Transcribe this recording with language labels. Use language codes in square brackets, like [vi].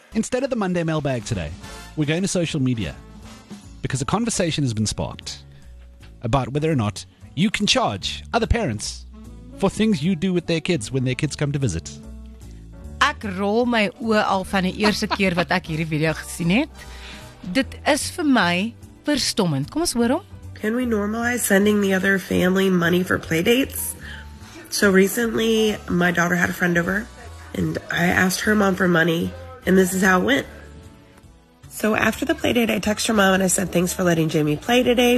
[en] Instead of the Monday mailbag today, we're going to social media because a conversation has been sparked about whether or not you can charge other parents for things you do with their kids when their kids come to visit. [af] Ek rol my oë al van die eerste keer wat ek hierdie video gesien het. Dit is vir my verstommend. Kom ons hoor hom. [en] Can we normalize sending the other family money for playdates? So recently, my daughter had a friend over, and I asked her mom for money, and this is how it went. So after the playdate, I texted her mom, and I said, thanks for letting Jamie play today.